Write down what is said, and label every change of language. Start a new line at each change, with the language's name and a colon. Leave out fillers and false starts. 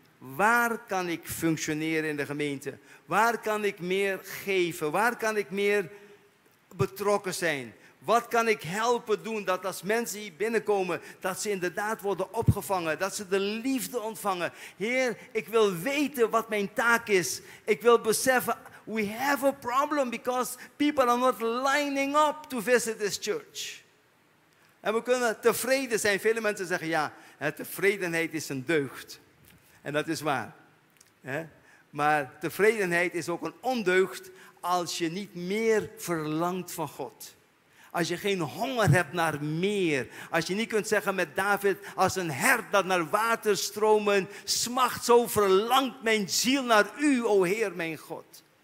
Dutch: Waar kan ik functioneren in de gemeente? Waar kan ik meer geven? Waar kan ik meer betrokken zijn? Wat kan ik helpen doen dat als mensen hier binnenkomen, dat ze inderdaad worden opgevangen, dat ze de liefde ontvangen? Heer, ik wil weten wat mijn taak is. Ik wil beseffen,
English: we have a problem because people are not lining up to visit this church.
Dutch: En we kunnen tevreden zijn. Vele mensen zeggen, ja, tevredenheid is een deugd. En dat is waar. Maar tevredenheid is ook een ondeugd als je niet meer verlangt van God. Als je geen honger hebt naar meer. Als je niet kunt zeggen met David, als een hert dat naar water stromen smacht, zo verlangt mijn ziel naar u, o Heer mijn God.